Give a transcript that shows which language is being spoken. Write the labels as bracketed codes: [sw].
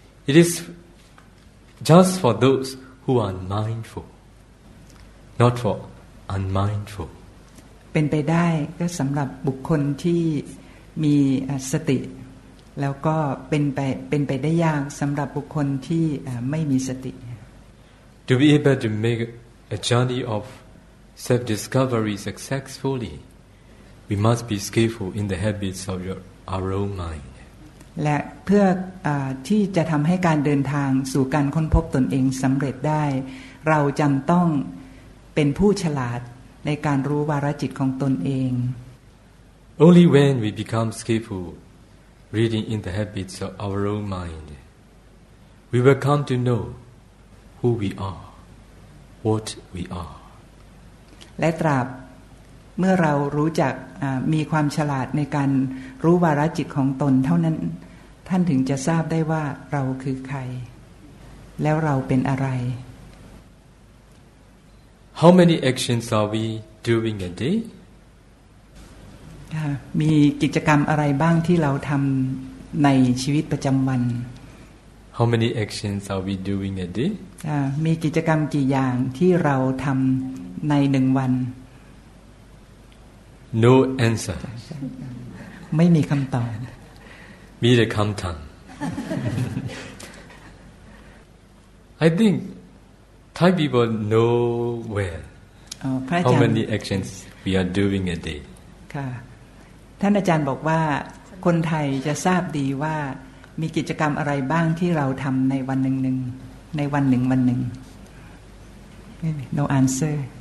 [en] It is just for those who are mindful, not for unmindful. [th] เป็นไปได้ก็สำหรับบุคคลที่มีสติแล้วก็เป็นไปได้ยากสำหรับบุคคลที่ไม่มีสติ [en] To be able to make a journey of self-discovery successfully, we must be skillful in the habits of our own mind. [th] และเพื่อที่จะทำให้การเดินทางสู่การค้นพบตนเองสำเร็จได้เราจำต้องเป็นผู้ฉลาดในการรู้วาระจิตของตนเอง [en] Only when we become skillfulReading in the habits of our own mind, we will come to know who we are, what we are. [th] และตราบเมื่อเรารู้จักมีความฉลาดในการรู้วาระจิตของตนเท่านั้นท่านถึงจะทราบได้ว่าเราคือใครแล้วเราเป็นอะไร [en] How many actions are we doing a day? [th] มีกิจกรรมอะไรบ้างที่เราทำในชีวิตประจำวัน [en] How many actions are we doing a day? [th] มีกิจกรรมกี่อย่างที่เราทำในหนึ่งวัน [en] No answer [th] ไม่มีคำตอบ มีแต่คำถาม [en] I think Thai people know well how many actions we are doing a day. [th] ค่ะท่านอาจารย์บอกว่าคนไทยจะทราบดีว่ามีกิจกรรมอะไรบ้างที่เราทำในวันหนึ่งๆในวันหนึ่งวันหนึ่ง [en] No answer.